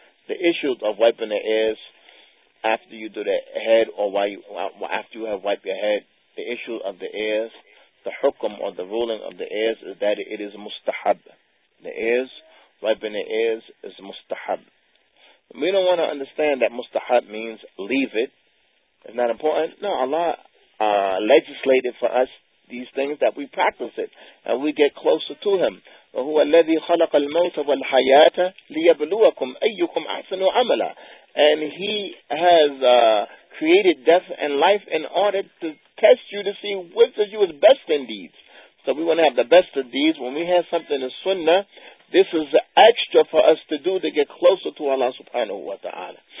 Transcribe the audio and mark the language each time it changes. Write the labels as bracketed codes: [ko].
[en] The issue of wiping the ears after you do the head, or after you have wiped your head, the issue of the ears, the hukum or the ruling of the ears is that it is mustahab. The ears, wiping the ears is mustahab. We don't want to understand that mustahab means leave it. It's not important. No, Allah legislated for us these things that we practice it and we get closer to Him. [ar] وهو الذي خلق الموت والحياة ليبلوكم أيكم أحسن عملا. [en] And He has created death and life in order to test you to see which of you is best in deeds. So we want to have the best of deeds. When we have something in Sunnah, this is extra for us to do to get closer to Allah subhanahu wa ta'ala.